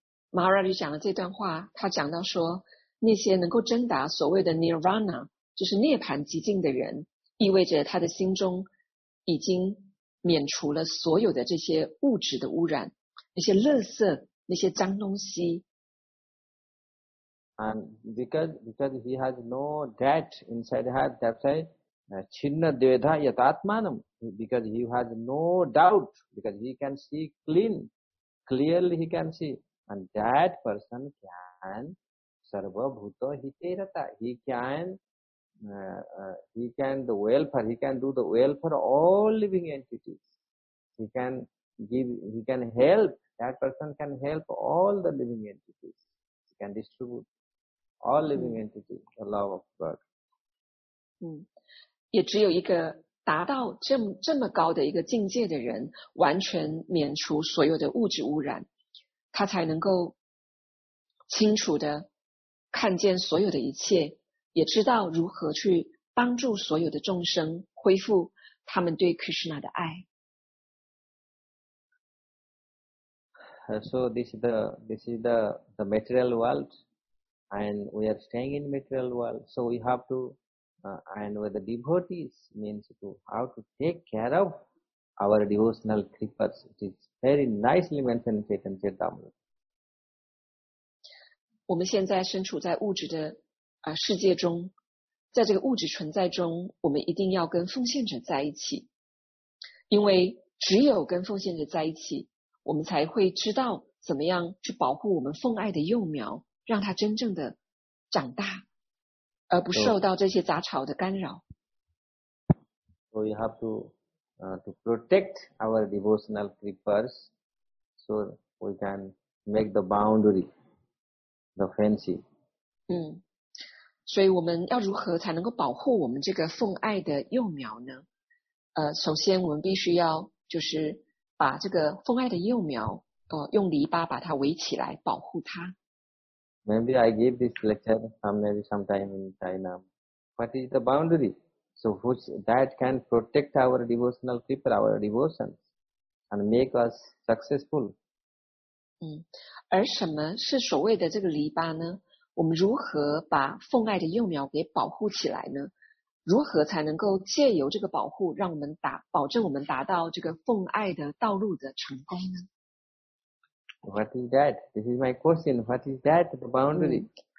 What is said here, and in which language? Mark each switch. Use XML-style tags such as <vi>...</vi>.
<zh>Maharaj 讲的这段话，他讲到说，那些能够真达所谓的 Nirvana， 就是涅槃极境的人，意味着他的心中已经免除了所有的这些物质的污染，那些垃圾，那些脏东西。</zh> <en>And because he has no debt inside his heart, that's why</en> <sa>Chinna Devedha Yatatmanam,</sa> <en>because he has no doubt, because he can see clearly he can see. And that person can</en> <sa>sarva bhuto hiterata.</sa> <en>He can do the well for all living entities. He can help, that person can help all the living entities. He can distribute all living entities, the love of God.</en> <zh>也只有一个达到这么高的一个境界的人，完全免除所有的物质污染，他才能够清楚的看见所有的一切，也知道如何去帮助所有的众生恢复他们对 Krishna 的爱。</zh> <en>So this is the material world, and we are staying in material world. So we have to and with the devotees means to how to take care of our devotional creepers. It is very nicely mentioned in Chaitanya Charitamrita.</en> <zh>我们现在身处在物质的世界中，在这个物质存在中，我们一定要跟奉献者在一起，因为只有跟奉献者在一起，我们才会知道怎么样去保护我们奉爱的幼苗，让它真正的长大，而不受到这些杂草的干扰。</zh> <en>So we have to protect our devotional creepers, so we can make the boundary, the fancy.</en> <zh>所以我们要如何才能够保护我们这个奉爱的幼苗呢？首先我们必须要就是把这个奉爱的幼苗用篱笆把它围起来，保护它。</zh> <en>Maybe I gave this lecture maybe sometime in China. What is the boundary? So which that can protect our devotional people, our devotions, and make us successful.</en> <zh>而什么是所谓的这个篱笆呢？我们如何把奉爱的幼苗给保护起来呢？如何才能够借由这个保护，让我们保证我们达到这个奉爱的道路的成功呢？</zh> <en>What is that? This is my question. What is that? The boundary.</en>